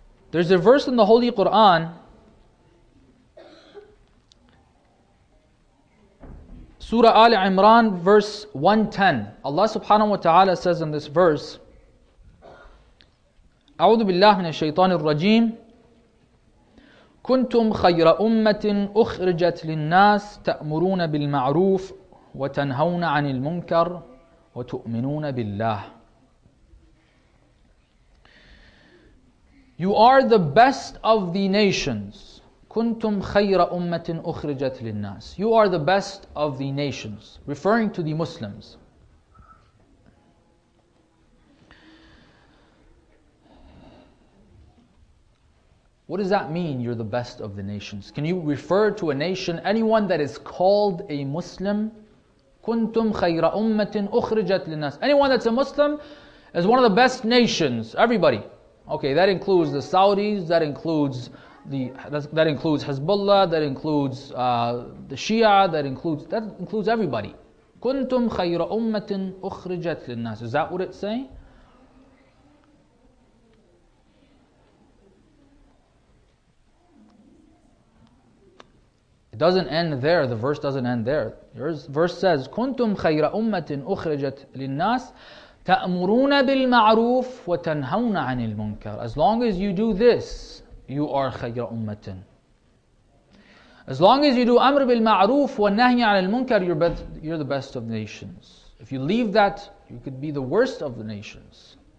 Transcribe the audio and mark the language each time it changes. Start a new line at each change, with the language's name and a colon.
English: There's a verse in the Holy Quran, Surah Ali Imran, verse 110. Allah subhanahu wa ta'ala says in this verse,
Arabic: أعوذ بالله من الشيطان الرجيم كنتم خير أمة أخرجت للناس تأمرون بالمعروف وتنهون عن المنكر وتؤمنون بالله.
English: You are the best of the nations.
Arabic: كنتم خير أمة أخرجت للناس.
English: You are the best of the nations, referring to the Muslims. What does that mean, you're the best of the nations? Can you refer to a nation, anyone that is called a Muslim?
Arabic: كنتم خير أمة أخرجت للناس.
English: Anyone that's a Muslim is one of the best nations, everybody. Okay, that includes the Saudis, that includes that includes Hezbollah, that includes the Shia, that includes everybody.
Arabic: كنتم خير أمة أخرجت للناس.
English: Is that what it's saying? It doesn't end there. The verse doesn't end there. Your verse says,
Arabic: كنتم خير أمة أخرجت للناس تأمرون بالمعروف وتنهون عن المنكر.
English: As long as you do this, you are
Arabic: خير أمة.
English: As long as you do
Arabic: أمر بالمعروف والنهي عن المنكر,
English: you're the best of the nations. If you leave that, you could be the worst of the nations.